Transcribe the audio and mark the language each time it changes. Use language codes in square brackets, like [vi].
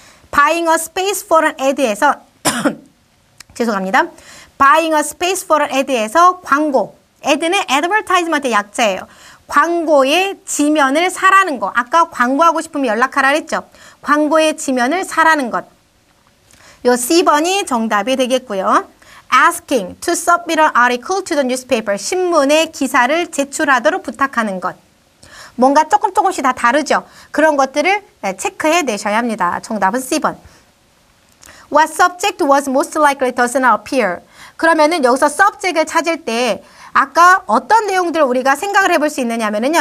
[en] Buying a space for an ad에서 [ko] 죄송합니다. [en] Buying a space for an ad에서 [ko] 광고. [en] ad는 advertisement의 약자예요. [ko] 광고의 지면을 사라는 거. 아까 광고하고 싶으면 연락하라 그랬죠. 광고의 지면을 사라는 것. 요 C번이 정답이 되겠고요. [en] Asking to submit an article to the newspaper. [ko] 신문에 기사를 제출하도록 부탁하는 것. 뭔가 조금 조금씩 다 다르죠. 그런 것들을 체크해 내셔야 합니다. 정답은 C번. [en] What subject was most likely does not appear? [ko] 그러면은 여기서 subject을 찾을 때 아까 어떤 내용들을 우리가 생각을 해볼 수 있느냐면요.